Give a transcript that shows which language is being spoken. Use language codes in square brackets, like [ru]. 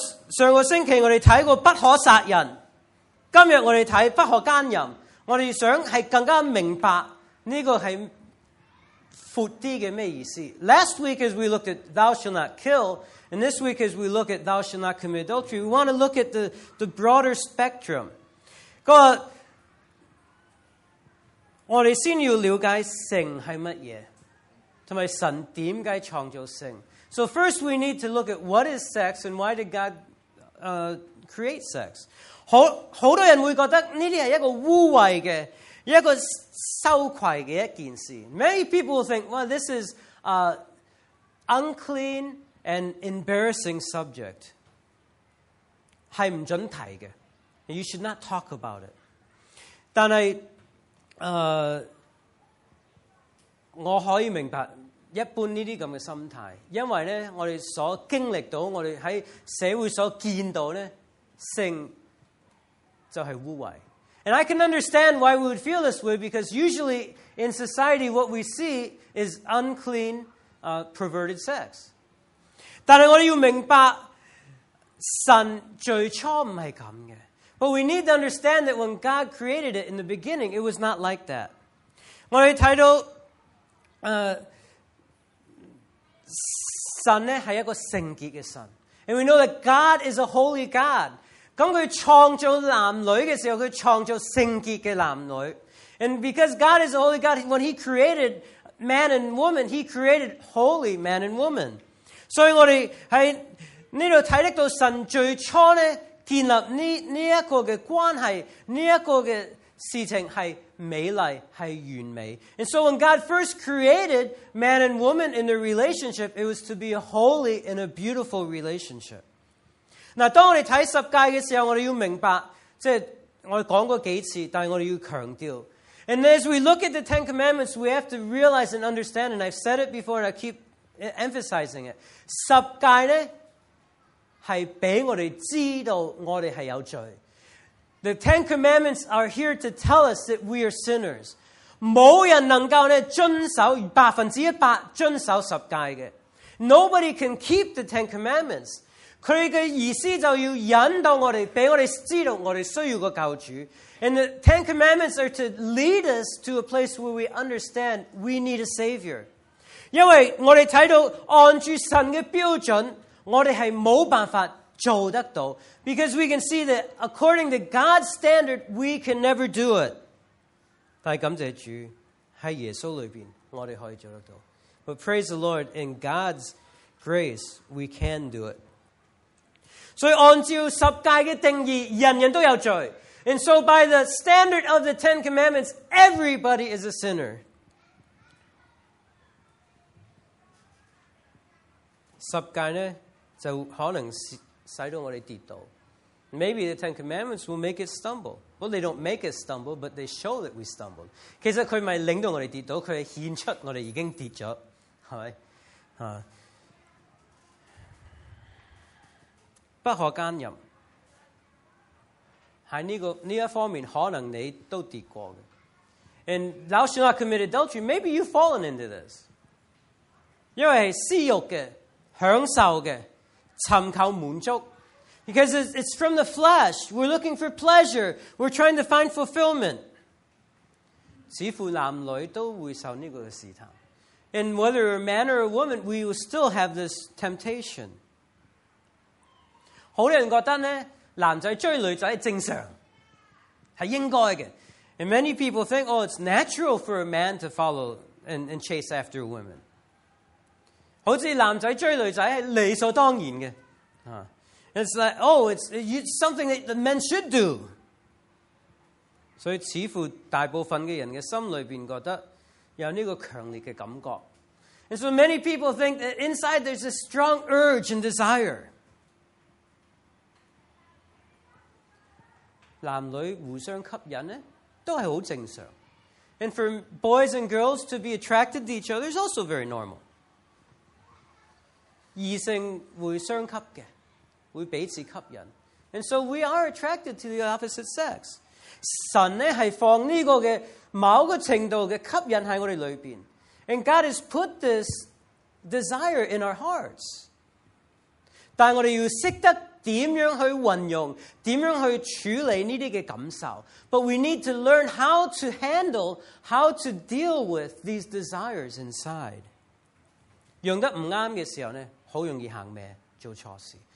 [zh] 上个星期我们看过不可杀人，今天我们看不可奸淫，我们想是更加明白这个是阔一点的什么意思。 [en] Last week as we looked at thou shalt not kill, and this week as we look at thou shalt not commit adultery, we want to look at the broader spectrum. [zh] 我们先要了解性是什么，还有神为什么创造性。 [en] So first we need to look at what is sex and why did God create sex. [zh] 很多人会觉得这是一个污秽的，一个羞愧的一件事。 [en] Many people think, well, this is an unclean and embarrassing subject. [zh] 是不准提的， [en] you should not talk about it. [zh] 但是我可以明白一般这些这样的心态，因为呢我们所经历到，我们在社会所见到呢，性就是污秽。 [en] And I can understand why we would feel this way, because usually in society what we see is unclean, perverted sex. [zh] 但是我们要明白神最初不是这样的。 [en] But we need to understand that when God created it in the beginning, it was not like that. [zh] 我们看到神呢是一个圣洁的神， [en] and we know that God is a holy God. [zh] 那他创造男女的时候，他创造圣洁的男女， [en] and because God is a holy God, when he created man and woman, he created holy man and woman. [zh] 所以我们在这里看到神最初呢建立这个关系，这个事情是美丽，是完美。 [en] And so when God first created man and woman in their relationship, it was to be a holy and a beautiful relationship. [zh] 那当我们看十诫的时候，我们要明白，即是我们讲过几次，但是我们要强调。 [en] And as we look at the Ten Commandments, we have to realize and understand, and I've said it before and I keep emphasizing it, [zh] 十诫呢是给我们知道我们是有罪。 [en] The Ten Commandments are here to tell us that we are sinners. [zh] 没人能够呢遵守百分之一百遵守十诫的。 [en] Nobody can keep the Ten Commandments. [zh] 他的意思就要引导我们，给我们知道我们需要个救主。 [en] And the Ten Commandments are to lead us to a place where we understand we need a Savior. [zh] 因为我们看到按住神的标准，我们是没办法做得到， [en] because we can see that according to God's standard, we can never do it. [zh] 但感谢主，在耶稣里面，我们可以做得到。 [en] But praise the Lord, in God's grace, we can do it. [zh] 所以按照十诫的定义，人人都有罪。 [en] And so by the standard of the Ten Commandments, everybody is a sinner. [zh] 十诫呢，就可能是使到我们跌倒。 [en] Maybe the Ten Commandments will make it stumble. Well, they don't make it stumble, but they show that we stumbled. [zh] 其实它不是令到我们跌倒，它是显出我们已经跌了，是吧？不可奸淫，在这方面可能你都跌过的。 [en] And thou shalt not commit adultery, maybe you've fallen into this. [zh] 因为是私欲的，享受的，寻求满足， [en] Because it's from the flesh. We're looking for pleasure. We're trying to find fulfillment. [zh] 似乎男女都会受这个试探。 [en] And whether a man or a woman, we will still have this temptation. [zh] 好多人觉得呢男仔追女仔是正常，是应该的。 [en] And many people think, oh, it's natural for a man to follow and chase after women. [zh] 好似男仔追女仔是理所当然的。 [en] It's like, oh, it's something that the men should do. [zh] 所以似乎大部分的人的心里面觉得有这个强烈的感觉。 [en] And so many people think that inside there's a strong urge and desire. [zh] 男女互相吸引呢都是很正常。 [en] And for boys and girls to be attracted to each other is also very normal. [zh] 异性会相吸的。会彼此吸引。 [en] And so we are attracted to the opposite sex. [zh] 神呢是放这个的某个程度的吸引在我们里面。 [en] And God has put this desire in our hearts. [zh] 但我们要懂得怎样去运用，怎样去处理这些感受。 [en] But we need to learn how to handle, how to deal with these desires inside. [zh] 用得不对的时候呢，很容易行歪，做错事。